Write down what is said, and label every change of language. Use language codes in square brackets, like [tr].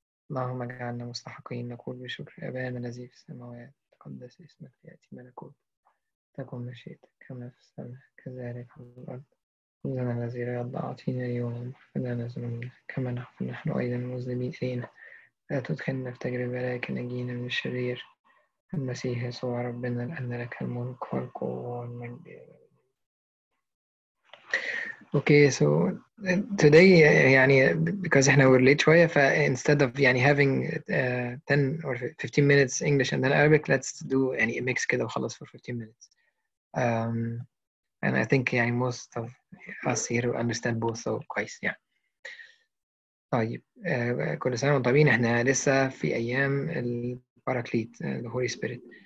[ar] اللهم اجعلنا مستحقين نقول بشكر. أبانا الذي في السماوات، تقدس اسمك، يأتي ملكوت، تكن مشيئتك كما في السماء كذلك على الأرض. خبزنا الذي لا يضع أعطينا اليوم، واغفر لنا ذنوبنا كما نغفر نحن أيضا المذنبين إلينا، لا تدخلنا في تجربة لكن نجينا من الشرير. المسيح يسوع ربنا، لأن لك الملك والقوة والمجد. [en] Okay, so today, because we're late, instead of having 10 or 15 minutes English and then Arabic, let's do a mix for 15 minutes. And I think most of us here understand both, so quite, yeah. [ar] طيب كل سنة وطيبين. احنا لسه في أيام الباراكليت, [en] the Holy Spirit.